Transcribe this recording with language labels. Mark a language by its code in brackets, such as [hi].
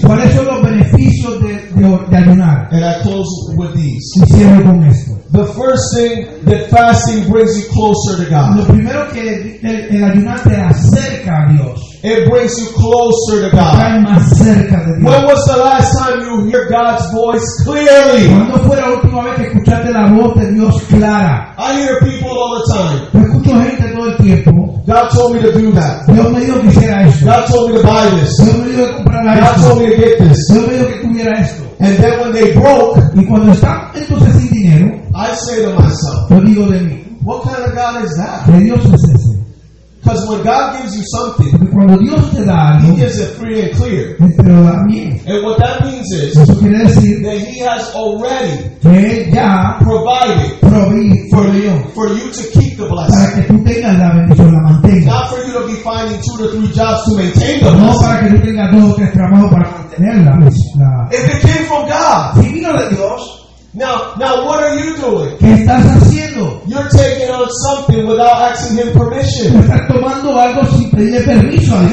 [es] ¿Cuáles son los beneficios de ayunar? [en] And I close with these. [es] Y cierro con esto. [en] The first thing that fasting brings you closer to God. [es] Lo primero que el ayunar te acerca a Dios. [en] It brings you closer to God. [es] Está más cerca de Dios. [en] When was the last time you hear God's voice clearly? [es] ¿Cuándo fue la última vez que escuchaste la voz de Dios clara? [en] I hear people all the time. [es] Yo escucho gente todo el tiempo. [en] God told me to do that. [es] Dios me dijo que hiciera esto. [en] God told me to buy this. [es] Dios me dijo que comprara esto. [en] God told me to get this. [es] Dios me dijo que tuviera esto. [en] And then when they broke, [es] y cuando están entonces sin dinero, [en] I say to myself, [es] yo digo de mí, [en] what kind of God is that? [es] ¿Qué Dios es ese? [en] Because when God gives you something, [es] porque cuando Dios te da algo, [en] He gives it free and clear. [es] Pero también, [en] and what that means is, [es] eso quiere decir, [en] that He has already, [es] que él ya [en] provided, provided for you to keep the blessing. [es] Para que tú tengas la bendición, la mantenga. [en] Not for you to be finding two to three jobs to maintain the blessing. [es] No, para que tú tengas dos o tres trabajos para mantenerla. [en] If it came from God, [es] si vino de Dios. [en] Now, what are you doing? [es] ¿Qué estás haciendo? [en] You're taking on something without asking Him permission. [es] Tú estás tomando algo sin pedirle permiso a Dios.